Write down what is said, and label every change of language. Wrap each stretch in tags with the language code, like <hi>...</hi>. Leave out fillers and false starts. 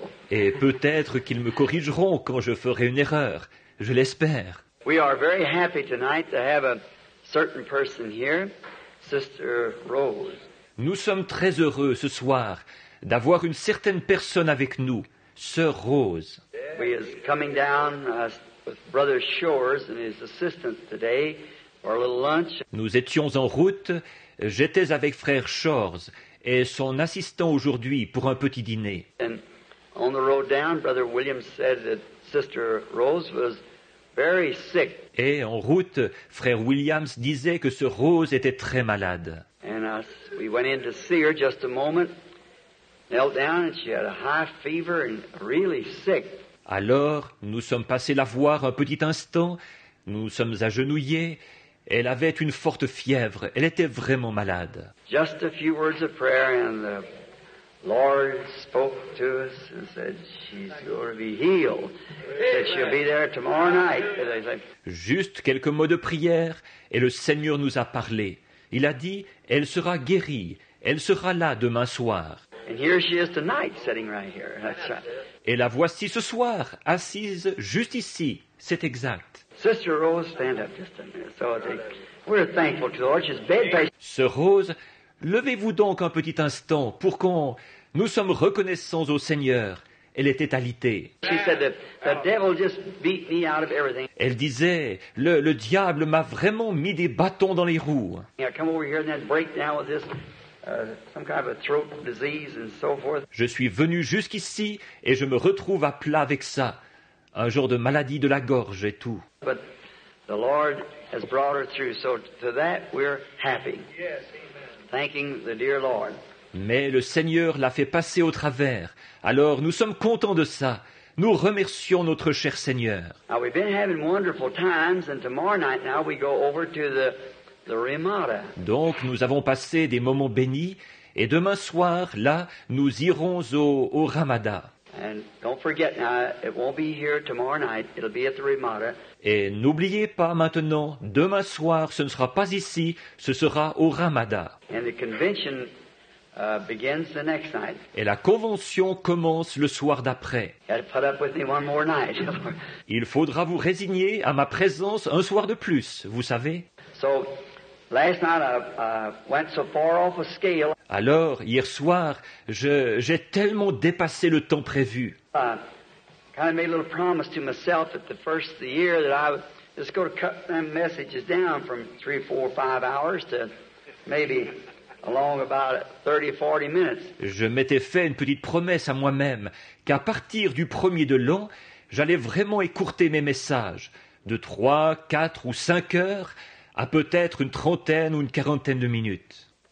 <fr>Et peut-être qu'ils me corrigeront quand je ferai une erreur. Je l'espère.</fr> <en>We are very happy tonight to have a certain person here, Sister Rose.</en> <fr>Nous sommes très heureux ce soir d'avoir une certaine personne avec nous, Sœur Rose.</fr> <en>He is coming down with Brother Shores and his assistant today for a little lunch.</en> <fr>Nous étions en route. J'étais avec frère Shores et son assistant aujourd'hui pour un petit dîner.</fr> <en>And on the road down, Brother William said that Sister Rose was very sick.</en> <fr>Et en route, frère Williams disait que Sœur Rose était très malade.</fr> <en>And we went in to see her just a moment, knelt down, and she had a high fever and really sick.</en> <fr>Alors, nous sommes passés la voir un petit instant, nous sommes agenouillés, elle avait une forte fièvre, elle était vraiment malade.</fr> <en>Just a few words of prayer and the Lord spoke to us and said she's going to be healed, that she'll be there tomorrow night.</en> <fr>Juste quelques mots de prière et le Seigneur nous a parlé. Il a dit, elle sera guérie, elle sera là demain soir.</fr> <en>And here she is tonight, sitting right here. That's right.</en> <fr>Et la voici ce soir, assise juste ici. C'est exact.</fr> <en>Sister Rose, stand up just a minute. So we're thankful to the Lord. She's bed-based.</en> <fr>Sœur Rose, levez-vous donc un petit instant pour qu'on... Nous sommes reconnaissants au Seigneur. Elle était alitée.</fr> <en>She said that the devil just beat me out of everything.</en> <fr>Elle disait, le diable m'a vraiment mis des bâtons dans les roues.</fr> <en>Yeah, come over here and then break down with this... some kind of a throat disease and so forth.</en> <fr>Je suis venu jusqu'ici et je me retrouve à plat avec ça, un genre de maladie de la gorge et tout.</fr> <en>But the Lord has brought her through, so to that we're happy. Yes, amen. Thanking the dear Lord.</en> <fr>Mais le Seigneur l'a fait passer au travers. Alors nous sommes contents de ça. Nous remercions notre cher Seigneur.</fr> <en>Now we've been having wonderful times, and tomorrow night now we go over to the Ramada.</en> <fr>Donc, nous avons passé des moments bénis, et demain soir, là, nous irons au Ramada.</fr> <en>And don't forget now, it won't be here tomorrow night, it'll be at the Ramada.</en> <fr>Et n'oubliez pas maintenant, demain soir, ce ne sera pas ici, ce sera au Ramada.</fr> <en>And the convention begins the next night.</en> <fr>Et la convention commence le soir d'après.</fr> <en>You gotta put up with me one more night.</en> <fr>Il faudra vous résigner à ma présence un soir de plus, vous savez.</fr> <en>So, last night I went so far off a scale.</en> <fr>Alors, hier soir, j'ai tellement dépassé le temps prévu.</fr> <en>I made a little promise to myself at the first of the year that I was just going to cut them messages down from 3, 4, 5 hours to maybe along about 30, 40 minutes.</en> <fr>Je m'étais fait une petite promesse à moi-même qu'à partir du premier de l'an, j'allais vraiment écourter mes messages de 3, 4 ou 5 heures à peut-être une trentaine ou une quarantaine de minutes.</fr>